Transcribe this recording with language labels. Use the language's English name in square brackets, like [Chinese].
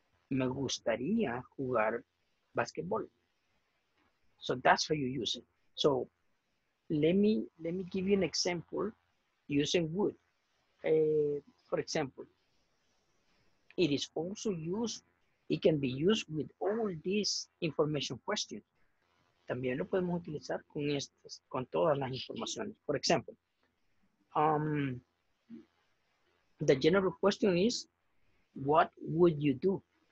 [Spanish] Me gustaría jugar basketball. [English] So that's how you use it. So let me give you an example using wood. For example, it is also used, it can be used with all these information questions. [Spanish] También lo podemos utilizar con estas, con todas las informaciones. [English] For example, the general question is, what would you do?